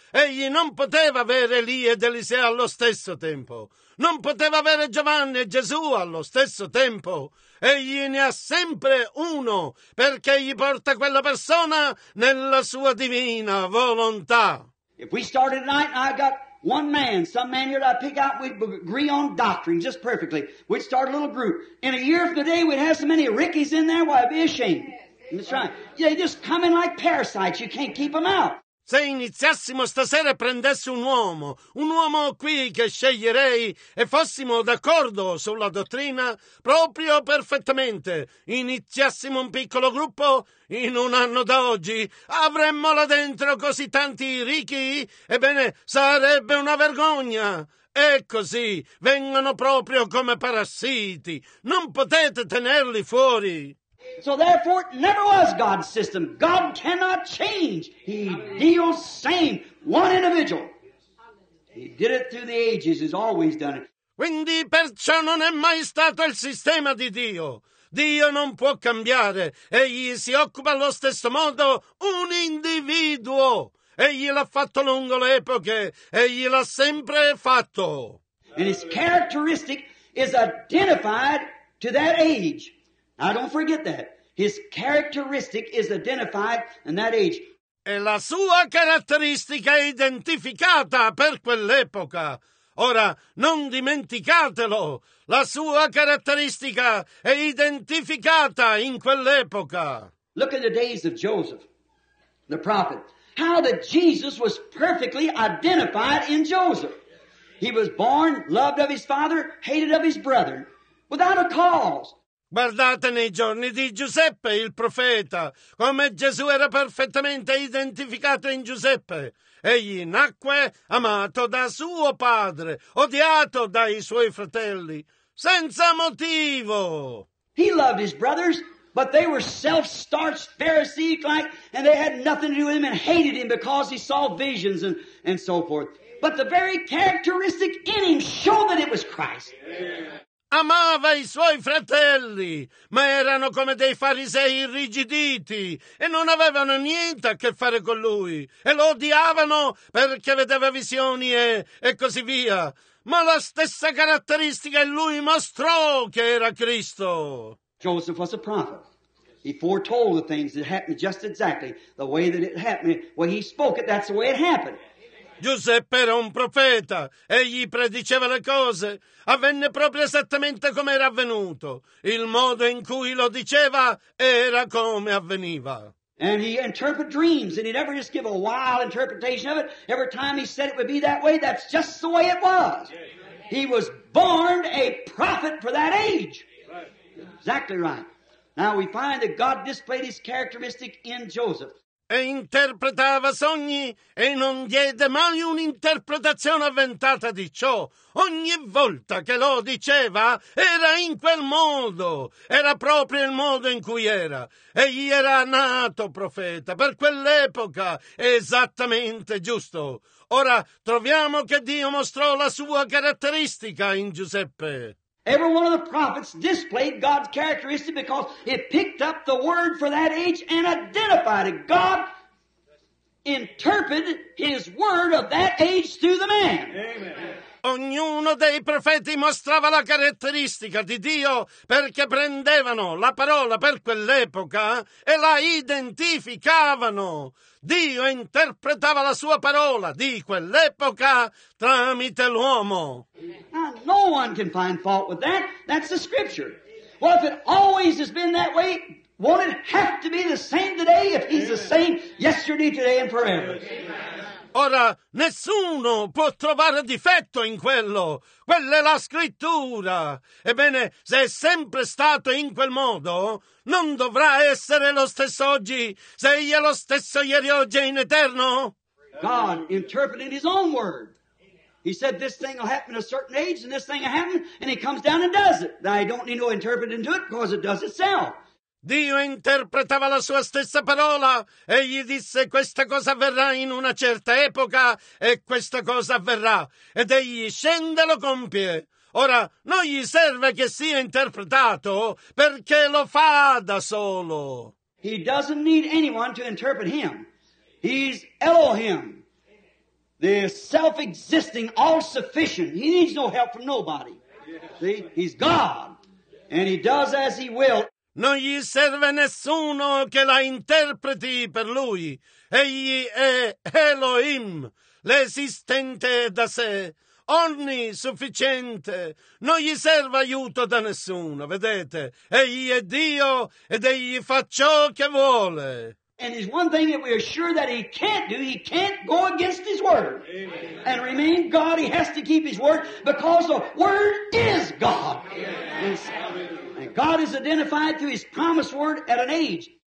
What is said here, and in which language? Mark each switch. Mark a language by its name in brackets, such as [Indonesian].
[Italian] Egli non poteva avere Elia ed Eliseo allo stesso tempo. Non poteva avere Giovanni e Gesù allo stesso tempo. Egli ne ha sempre uno, perché egli porta quella persona nella sua divina volontà. [English] If we started tonight and I got one man, some man here that I pick out, we'd agree on doctrine just perfectly. We'd start a little group. In a year from today, we'd have so many Rickies in there, why, it'd be a shame. That's right. They just come in like parasites. You can't keep them out. [Italian] Se iniziassimo stasera e prendessi un uomo qui che sceglierei e fossimo d'accordo sulla dottrina, proprio perfettamente, iniziassimo un piccolo gruppo, in un anno da oggi avremmo là dentro così tanti ricchi, ebbene sarebbe una vergogna. E così, vengono proprio come parassiti, non potete tenerli fuori. [English] So therefore, it never was God's system. God cannot change. He deals same, one individual. He did it through the ages. He's always done it. [Italian] Quindi perciò non è mai stato il sistema di Dio. Dio non può cambiare. Egli si occupa allo stesso modo un individuo. Egli l'ha fatto lungo le epoche. Egli l'ha sempre fatto. [English] And his characteristic is identified to that age. I don't forget that. His characteristic is identified in that age. [Italian] E la sua caratteristica è identificata per quell'epoca. Ora, non dimenticatelo. La sua caratteristica è identificata in quell'epoca. [English] Look at the days of Joseph, the prophet. How that Jesus was perfectly identified in Joseph. He was born, loved of his father, hated of his brother, without a cause. [Italian] Guardate nei giorni di Giuseppe, il profeta, come Gesù era perfettamente identificato in Giuseppe. Egli nacque amato da suo padre, odiato dai suoi fratelli, senza motivo. [English] He loved his brothers, but they were self-starched, Pharisee-like, and they had nothing to do with him and hated him because he saw visions and so forth. But the very characteristic in him showed that it was Christ. Yeah. [Italian] Amava i suoi fratelli, ma erano come dei farisei irrigiditi e non avevano niente a che fare con lui e lo odiavano perché vedeva visioni e così via. Ma la stessa caratteristica in lui mostrò che era Cristo. [English] Joseph was a prophet. He foretold the things that happened just exactly the way that it happened. When he spoke it, that's the way it happened. [Italian] Giuseppe era un profeta, egli prediceva le cose, avvenne proprio esattamente come era avvenuto. Il modo in cui lo diceva era come avveniva. [English] And he interpreted dreams, and he never just give a wild interpretation of it. Every time he said it would be that way, that's just the way it was. He was born a prophet for that age. Exactly right. Now we find that God displayed his characteristic in Joseph. [Italian] E interpretava sogni e non diede mai un'interpretazione avventata di ciò. Ogni volta che lo diceva, era in quel modo. Era proprio il modo in cui era. Egli era nato profeta per quell'epoca. Esattamente giusto. Ora troviamo che Dio mostrò la sua caratteristica in Giuseppe. [English] Every one of the prophets displayed God's characteristic because it picked up the word for that age and identified it. God interpreted his word of that age through the man. Amen. [Italian] Ognuno dei profeti mostrava la caratteristica di Dio perché prendevano la parola per quell'epoca e la identificavano. Dio interpretava la sua parola di quell'epoca tramite l'uomo. [English] Now, no one can find fault with that. That's the scripture. Well, if it always has been that way, won't it have to be the same today if he's the same yesterday, today, and forever? [Italian] Ora, nessuno può trovare difetto in quello. Quella è la scrittura. Ebbene, se è sempre stato in quel modo, non dovrà essere lo stesso oggi, se è lo stesso ieri, oggi e in eterno. [English] God interpreted his own word. He said this thing will happen a certain age and this thing will happen, and he comes down and does it. Now, I don't need no interpreter to do it because it does itself. [Italian] Dio interpretava la sua stessa parola e gli disse questa cosa avverrà in una certa epoca e questa cosa avverrà ed egli scende e lo compie. Ora non gli serve che sia interpretato perché lo fa da solo. [English] He doesn't need anyone to interpret him. He's Elohim, the self-existing, all-sufficient. He needs no help from nobody. See, he's God and he does as he will. [Italian] Non gli serve nessuno che la interpreti per lui. Egli è Elohim, l'esistente da sé, onnisufficiente. Non gli serve aiuto da nessuno, vedete? Egli è Dio ed egli fa ciò che vuole. [English] And there's one thing that we are sure that he can't do. He can't go against his word. Amen. And remain God. He has to keep his word because the word is God. And God is identified through his promised word at an age.